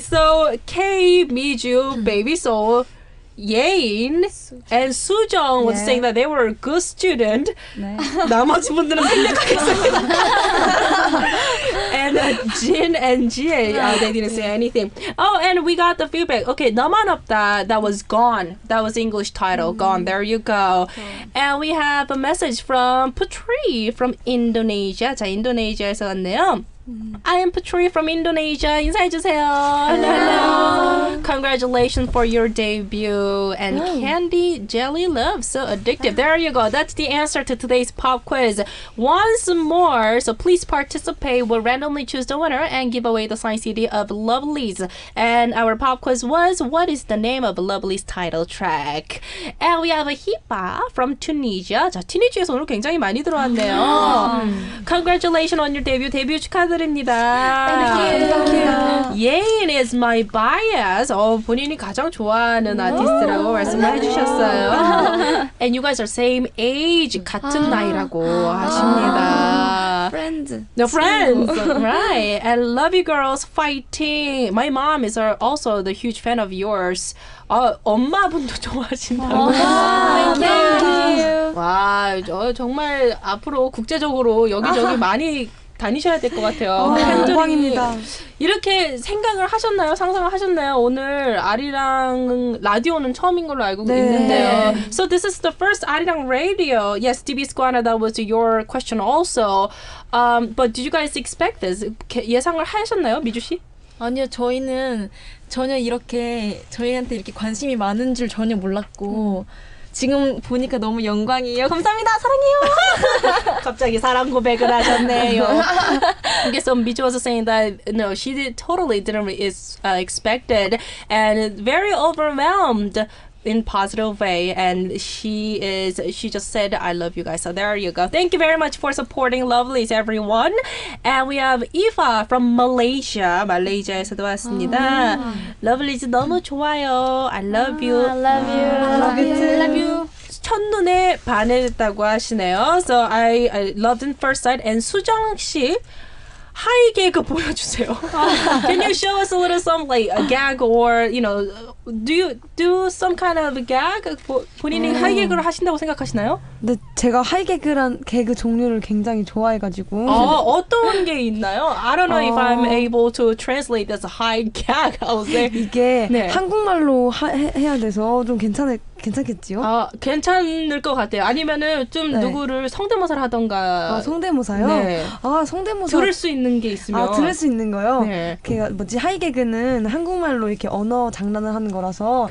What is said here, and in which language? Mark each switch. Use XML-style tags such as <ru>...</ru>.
<en>So, K, Miju, Baby Soul, Yein, and Sujeong was saying that they were a good student.</en> <ko>네. 나머지 분들은 편력하겠습니다.</ko> <en>And Jin and Jie, they didn't say anything. Oh, and we got the feedback. Okay,</en> <ko>너만 없다,</ko> <en>that was gone. That was English title, gone. There you go. Okay. And we have a message from Putri from Indonesia.</en> <ko>자, 인도네시아에서 왔네요.</ko> <en>I am Petri from Indonesia.</en> <ko>인사해주세요.</ko> <en>Hello. Hello. Congratulations for your debut. And oh. Candy Jelly Love, so addictive. There you go. That's the answer to today's pop quiz. Once more, so please participate. We'll randomly choose the winner and give away the signed CD of Lovelies. And our pop quiz was, what is the name of Lovelies' title track? And we have a Hipa from Tunisia.</en> <ko>자, 튀니지에서 오늘 굉장히 많이 들어왔네요.</ko> <en>Congratulations on your debut.</en> <ko>데뷔 축하 드립니다.</ko> <en>Thank you. Yein is my bias.</en> <ko>본인이 가장 좋아하는 아티스트라고 말씀해 주셨어요.</ko> <en>And you guys are same age,</en> <ko>같은 나이라고 하십니다.</ko> <en>Friends. No friends. Right. And love you girls. Fighting. My mom is also the huge fan of yours.</en> <ko>엄마분도 좋아하신다고.</ko> <en>Thank you.</en> <ko>와, 정말 앞으로 국제적으로 여기저기 많이 다니셔야 될 것 같아요. 영광입니다. 이렇게 생각을 하셨나요? 상상을 하셨나요? 오늘 아리랑 라디오는 처음인 걸로 알고 네. 있는데요.</ko> <en>So this is the first 아리랑 radio. Yes, DB Squana, that was your question also. But did you guys expect this?</en> <ko>예상을 하셨나요, 미주 씨? 아니요, 저희는 전혀 이렇게 저희한테 이렇게 관심이 많은 줄 전혀 몰랐고 지금 보니까 너무 영광이에요. 감사합니다. 사랑해요. 갑자기 사랑 고백을 하셨네요.</ko> <en>Okay, so Miju was saying that no, she totally didn't expect it and very overwhelmed in positive way and she just said I love you guys. So there you go. Thank you very much for supporting Lovelies everyone. And we have Eva from Malaysia.</en> <ko>Malaysia에서도 왔습니다.</ko> <en>Lovelies</en> <ko>너무 좋아요.</ko> <en>I love you. I love you. I love you. I love you.</en> <ko>첫눈에 반했다고 하시네요.</ko> <en>So I loved in first sight and</en> <ko>수정 씨 하이 개그 보여주세요.</ko> <en>Can you show us a little some like a gag or you know do you do some kind of gag?</en> <ko>본인이 하이 개그를 하신다고 생각하시나요? 네, 제가 하이개그란 개그 종류를 굉장히 좋아해가지고. 어, 어떤 게 있나요?</ko> <en>I don't know if I'm able to translate this high gag. I'll say.</en> <ko>이게 네. 한국말로 해야 돼서 좀 괜찮겠지요? 아, 괜찮을 것 같아요. 아니면은 좀 네. 누구를 성대모사를 하던가. 아, 성대모사요? 네. 아, 성대모사. 들을 수 있는 게 있으면. 아, 들을 수 있는 거요? 네. 그, 뭐지, 하이개그는 한국말로 이렇게 언어 장난을 하는 거라서.</ko>